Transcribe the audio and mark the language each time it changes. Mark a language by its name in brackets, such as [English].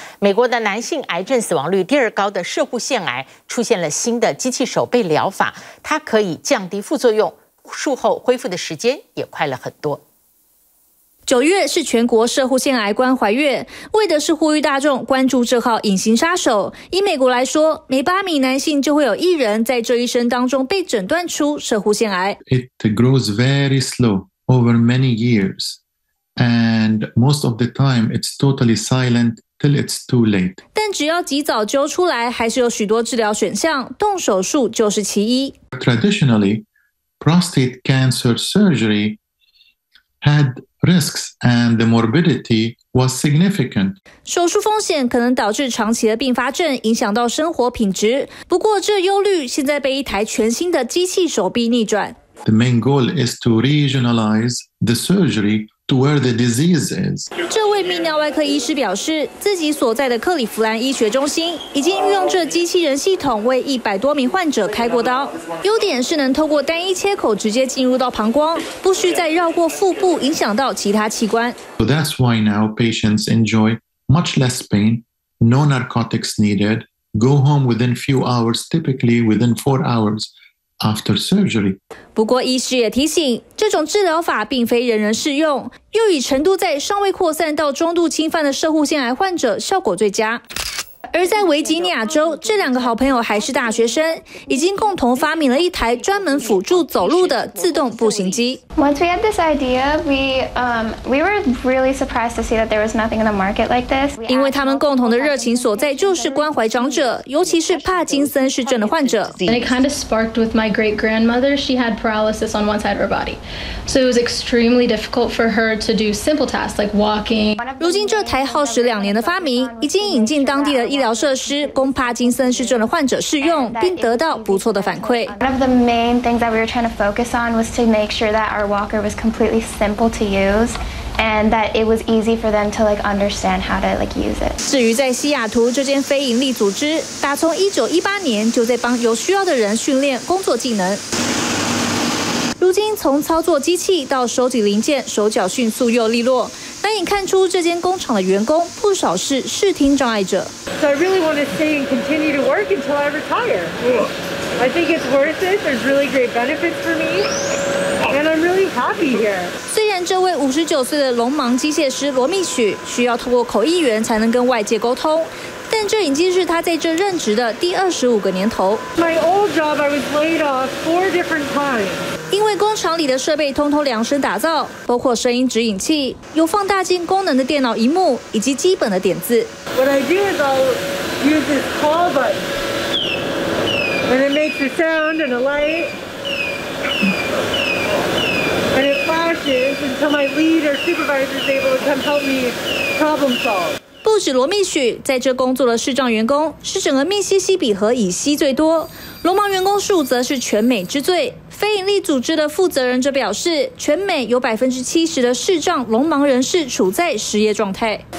[Chinese] 美国的男性癌症死亡率第二高的射护腺癌出现了新的机器手背疗法，它可以降低副作用，术后恢复的时间也快了很多。九月是全国射护腺癌关怀月，为的是呼吁大众关注这号隐形杀手。以美国来说，每八名男性就会有一人在这一生当中被诊断出射护腺癌。 [English] It grows very slow over many years. And most of the time, it's totally silent till it's too late. [Chinese] 但只要及早揪出来，还是有许多治疗选项，动手术就是其一。 [English] Traditionally, prostate cancer surgery had risks and the morbidity was significant. [Chinese] 手术风险可能导致长期的并发症，影响到生活品质。不过这忧虑现在被一台全新的机器手臂逆转。 [English] The main goal is to regionalize the surgery. To where the disease is. [Chinese] 这位泌尿外科医师表示，自己所在的克利夫兰医学中心已经运用这机器人系统为100多名患者开过刀。优点是能透过单一切口直接进入到膀胱，不需再绕过腹部影响到其他器官。 [English] So that's why now patients enjoy much less pain, no narcotics needed, go home within few hours, typically within 4 hours. After surgery. [Chinese] 不过医师也提醒，这种治疗法并非人人适用，又以程度在尚未扩散到中度侵犯的射护腺癌患者效果最佳。而在维吉尼亚州，这两个好朋友还是大学生，已经共同发明了一台专门辅助走路的自动步行机。 [English] Once we had this idea, we were really surprised to see that there was nothing in the market like this. [Chinese] 因为他们共同的热情所在就是关怀长者，尤其是帕金森氏症的患者。 [English] And it kind of sparked with my great grandmother. She had paralysis on one side of her body, so it was extremely difficult for her to do simple tasks like walking. [Chinese] 如今这台耗时2年的发明已经引进当地的医疗设施，供帕金森氏症的患者试用，并得到不错的反馈。 [English] One of the main things that we were trying to focus on was to make sure that our walker was completely simple to use, and that it was easy for them to like understand how to like use it. [Chinese] 至于在西雅图这间非营利组织，打从1918年就在帮有需要的人训练工作技能。如今从操作机器到收集零件，手脚迅速又利落，难以看出这间工厂的员工不少是视听障碍者。 [English] So I really want to stay and continue to work until I retire. I think it's worth it. There's really great benefits for me, and I'm really happy here. [Chinese] 虽然这位59岁的聋盲机械师罗密许需要透过口译员才能跟外界沟通。但这已经是他在这任职的第25个年头。 [English] My old job, I was laid off 4 different times. [Chinese] 因为工厂里的设备通通量身打造，包括声音指引器、有放大镜功能的电脑萤幕以及基本的点字。 [English] What I do is I'll use this call button, and it makes a sound and a light, and it flashes until my lead or supervisor is able to come help me problem solve. [Chinese] 不止罗密许，在这工作的视障员工是整个密西西比河以西最多，聋盲员工数则是全美之最。非营利组织的负责人则表示，全美有70%的视障聋盲人士处在失业状态。